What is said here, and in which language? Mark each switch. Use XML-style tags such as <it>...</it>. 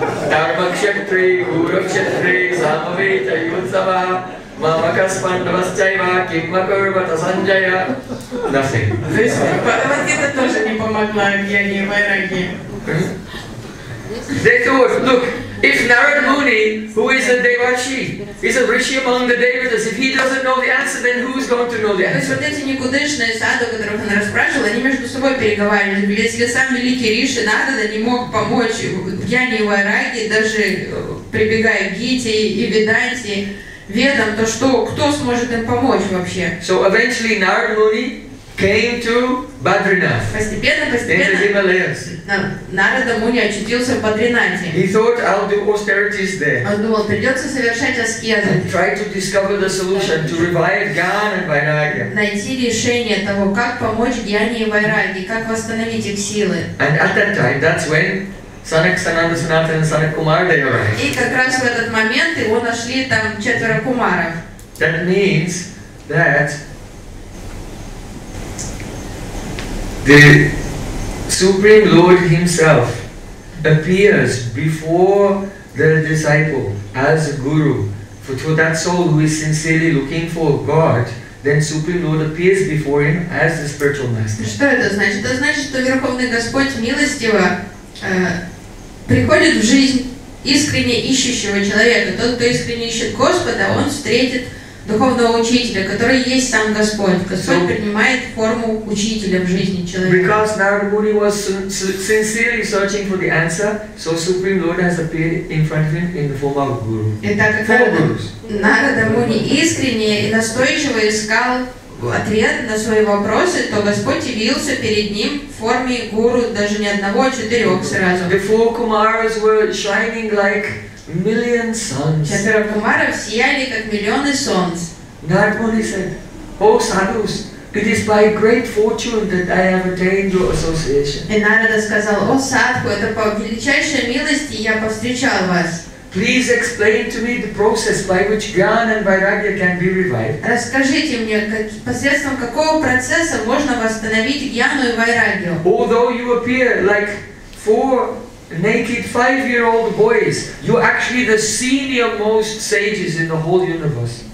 <sa>Дарма-кшетри, Гура-кшетри, Самавита, Юдзава, Мамакас-пандвасчайва, Кикма-курва-тасанджая.</sa> <en>Nothing.</en> <ru>То есть Бхагавад-гита тоже не помогла Джане и Вайрагии.</ru> <en>They thought, look, if Narad Muni, who is a Devarshi, is a Rishi among the Devatas, if he doesn't know the answer, then who is going to know the answer?</en> <ru>То есть вот эти никудышные сады, которых он расспрашивал, они между собой переговаривали. Если сам великий Риши Нарада не мог помочь Джане и Вайраге, даже прибегая к Гите и Веданте, Ведам, то что, кто сможет им помочь вообще?</ru> <en>So eventually Narad Muni came to Badrinath.</en> <ru>Постепенно</ru> <en>in the Himalayas.</en> <ru>Нарада Муни очутился в Бадринате.</ru> <en>He thought I'll do austerities there.</en> <ru>Он думал, придется совершать аскезы.</ru> <en>And try to discover the solution to revive Jnana and Vairagya.</en> <ru>Найти решение того, как помочь Джане и Вайраге, как восстановить их силы.</ru> <en>And at that time, that's when Sanak Sananda Sanatana and Sanak Kumar they arrived.</en> <ru>И как раз в этот момент его нашли там четверо кумаров.</ru> <en>That means that the Supreme Lord Himself appears before the disciple as a guru. For that soul who is sincerely looking for God, then Supreme Lord appears before him as the spiritual master.</en> <ru>Что это значит? Это значит, что Верховный Господь милостиво приходит в жизнь искренне ищущего человека. Тот, кто искренне ищет Господа, он встретит духовного учителя, который есть сам Господь. Господь принимает форму учителя в жизни человека.</ru> <en>Because Narada Muni was sincerely searching for the answer, so Supreme Lord has appeared in front of him in the form of a guru.</en> <ru>Итак, Нарада Муни искренне и настойчиво искал ответ на свои вопросы, то Господь явился перед ним в форме гуру, даже не одного, а четырех сразу.</ru> <en>The four Kumaras were shining like million suns.</en> <ru>Четверо кумаров сияли как миллионы солнц.</ru> <en>Narada Muni said, "O sadhus, it is by great fortune that I have attained your association."</en> <ru>И Нарада сказал, "О садху, это по величайшей милости я повстречал вас."</ru> <en>Please explain to me the process by which Jnana and Vairagya can be revived.</en> <ru>Расскажите мне, посредством какого процесса можно восстановить Jnana и Vairagya.</ru> <en>Although you appear like four naked five-year-old boys, you're actually the senior most sages in the whole universe.</en>